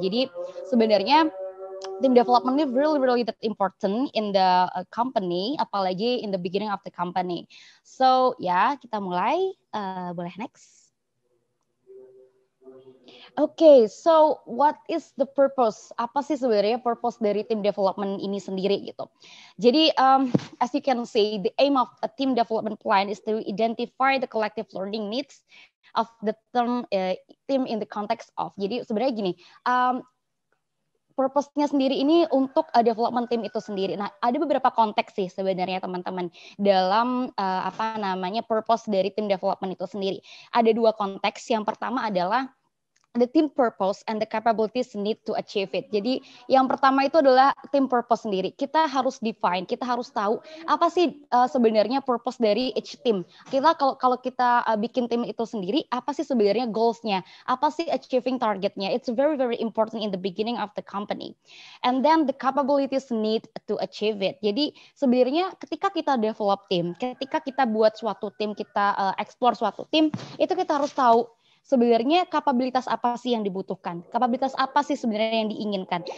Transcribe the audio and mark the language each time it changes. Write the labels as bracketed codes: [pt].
[id] Jadi, sebenarnya team development ini [en] really, really that important in the company, [id] apalagi [en] in the beginning of the company. [id] So, ya, yeah, kita mulai. Boleh next. [en] Okay, so what is the purpose? [id] Apa sih sebenarnya purpose dari team development ini sendiri gitu? [en] Jadi, as you can see, the aim of a team development plan is to identify the collective learning needs of the term team in the context of. [id] Jadi sebenarnya gini, purpose-nya sendiri ini untuk development team itu sendiri. Nah, ada beberapa konteks sih sebenarnya teman-teman dalam purpose dari team development itu sendiri. Ada 2 konteks. Yang pertama adalah [en] the team purpose and the capabilities need to achieve it. [id] Jadi yang pertama itu adalah team purpose sendiri. Kita harus define, kita harus tahu apa sih sebenarnya purpose dari each team. Kita kalau kita bikin tim itu sendiri, apa sih sebenarnya goals-nya? Apa sih achieving target-nya? [en] It's very, very important in the beginning of the company. And then the capabilities need to achieve it. [id] Jadi sebenarnya ketika kita develop tim, ketika kita buat suatu tim, kita explore suatu tim, itu kita harus tahu sebenarnya kapabilitas apa sih yang dibutuhkan? Kapabilitas apa sih sebenarnya yang diinginkan?